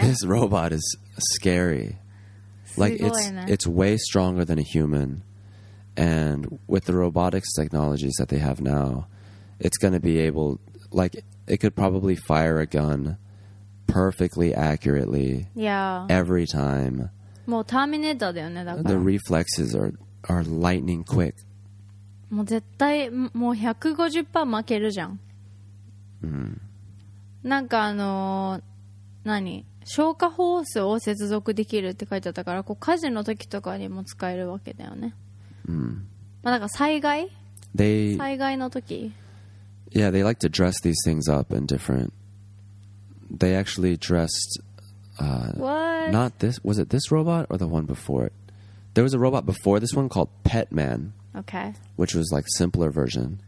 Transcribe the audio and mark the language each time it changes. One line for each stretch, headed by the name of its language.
English: This robot is scary. Like it's way stronger than a human. And with the robotics technologies that they have now, it's going to be able Like, it could probably fire a gun perfectly accurately Yeah. every time.
Japanese: もうターミネーターだよね、だから。
English: The reflexes are lightning quick.
Japanese: もう絶対、もう 150% 負けるじゃん。なんか何？消火ホースを接続できるって書いてあったから、こう火事の時とかにも使えるわけだよね。まあ、だから災害？災害の時？
English: Yeah, they like to dress these things up in different... They actually dressed... What? Not this... Was it this robot or the one before it? There was a robot before this one called Pet Man. Okay. Which was like simpler version.